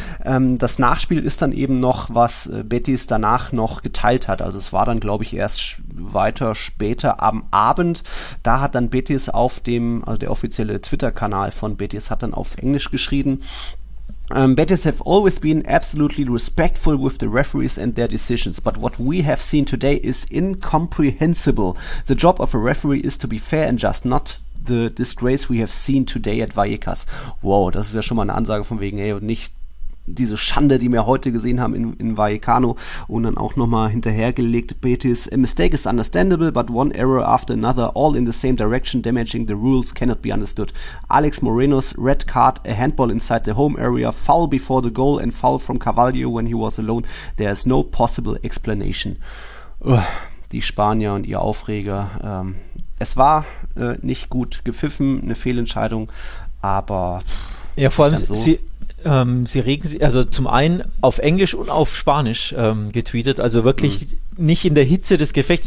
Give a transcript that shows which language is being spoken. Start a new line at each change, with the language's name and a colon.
German: Das Nachspiel ist dann eben noch, was Betis danach noch geteilt hat, also es war dann glaube ich erst weiter später am Abend, da hat dann Betis auf dem, also der offizielle Twitter-Kanal von Betis hat dann auf Englisch geschrieben:
English: Betis have always been absolutely respectful with the referees and their decisions, but what we have seen today is incomprehensible. The job of a referee is to be fair and just, not the disgrace we have seen today at Vallecas.
German: Wow, das ist ja schon mal eine Ansage von wegen, ey, und nicht diese Schande, die wir heute gesehen haben in Vallecano, und dann auch nochmal hinterhergelegt, Betis:
English: a mistake is understandable, but one error after another, all in the same direction, damaging the rules, cannot be understood. Alex Moreno's red card, a handball inside the home area, foul before the goal and foul from Carvalho when he was alone, there is no possible explanation.
German: Die Spanier und ihr Aufreger. Es war nicht gut gepfiffen, eine Fehlentscheidung, aber... Ja, vor allem sie regen sich, also zum einen auf Englisch und auf Spanisch getweetet, also wirklich nicht in der Hitze des Gefechts.